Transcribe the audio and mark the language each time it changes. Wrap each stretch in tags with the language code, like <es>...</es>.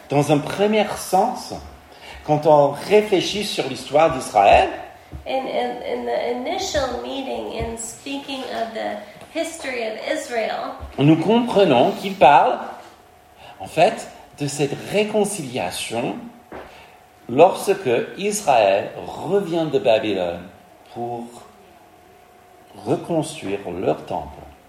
<fr>Dans un premier sens, quand on réfléchit sur l'histoire d'Israël,</fr> <en>in the initial meeting, in speaking of the history of Israel,</en> <fr>nous comprenons qu'il parle, en fait, de cette réconciliation lorsque Israël revient de Babylone pour reconstruire leur temple.</fr>